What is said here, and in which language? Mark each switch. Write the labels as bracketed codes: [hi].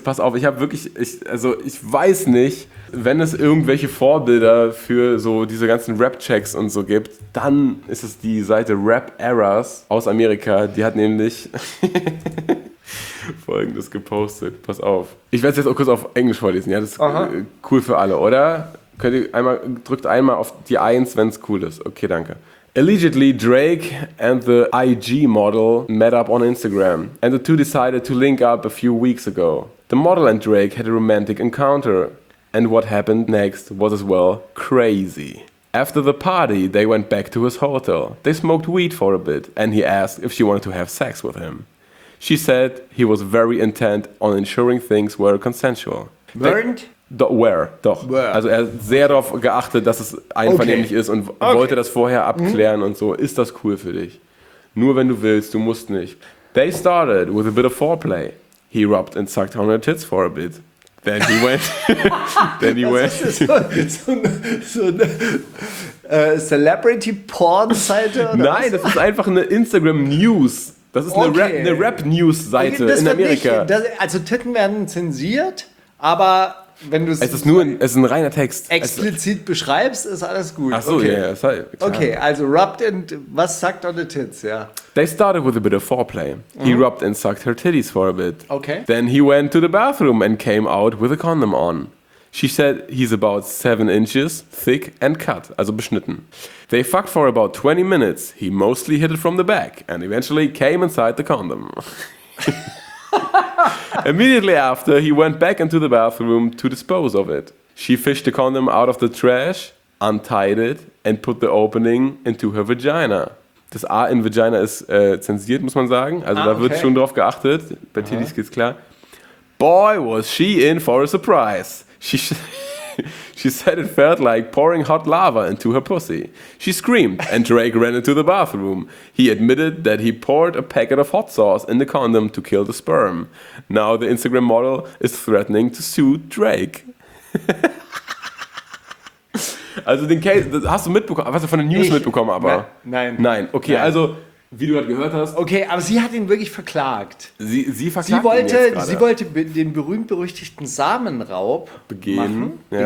[de] Pass auf, ich habe wirklich, ich weiß nicht, wenn es irgendwelche Vorbilder für so diese ganzen Rap-Checks und so gibt, dann ist es die Seite Rap Errors aus Amerika. Die hat nämlich Folgendes gepostet. Pass auf. Ich werde es jetzt auch kurz auf Englisch vorlesen. Ja, das ist cool für alle, oder? Könnt ihr einmal, drückt einmal auf die 1, wenn es cool ist. Okay, danke. [en] Allegedly, Drake and the IG model met up on Instagram and the two decided to link up a few weeks ago. The model and Drake had a romantic encounter. And what happened next was as well crazy. After the party, they went back to his hotel. They smoked weed for a bit, and he asked if she wanted to have sex with him. She said he was very intent on ensuring things were consensual. Weren't? [de] Doch. [en] Where? [de] Also er hat sehr darauf geachtet, dass es einvernehmlich ist und wollte das vorher abklären und so. Ist das cool für dich? Nur wenn du willst, du musst nicht. [en] They started with a bit of foreplay. He rubbed and sucked on her tits for a bit. Then he went. Then he das went. [de] Ist das so eine Celebrity Porn Seite? Nein, was? Das ist einfach eine Instagram News. Das ist eine Rap News Seite in Amerika. Nicht, das, also Titten werden zensiert, aber wenn du es ist nur ein, es ist ein reiner Text. Explizit also, beschreibst, ist alles gut. Ach so, okay. [en] Yeah, sorry, okay, also rubbed and was sucked on the tits, ja. Yeah. They started with a bit of foreplay. He rubbed and sucked her titties for a bit. Okay. Then he went to the bathroom and came out with a condom on. She said he's about 7 inches thick and cut, [de] also beschnitten. [en] They fucked for about 20 minutes. He mostly hit it from the back and eventually came inside the condom. Immediately after, he went back into the bathroom to dispose of it. She fished the condom out of the trash, untied it and put the opening into her vagina. [de] Das A in Vagina ist zensiert, muss man sagen. Also da wird schon drauf geachtet. Bei Titties geht's klar. [en] Boy, was she in for a surprise. She said it felt like pouring hot lava into her pussy. She screamed and Drake ran into the bathroom. He admitted that he poured a packet of hot sauce in the condom to kill the sperm. Now the Instagram model is threatening to sue Drake. [de] Also den Case, das hast du mitbekommen, hast du von den News mitbekommen, aber... Nein. Also, wie du gerade gehört hast... Okay, aber sie hat ihn wirklich verklagt. Sie verklagt sie wollte, ihn jetzt gerade. Sie wollte den berühmt-berüchtigten Samenraub begehen.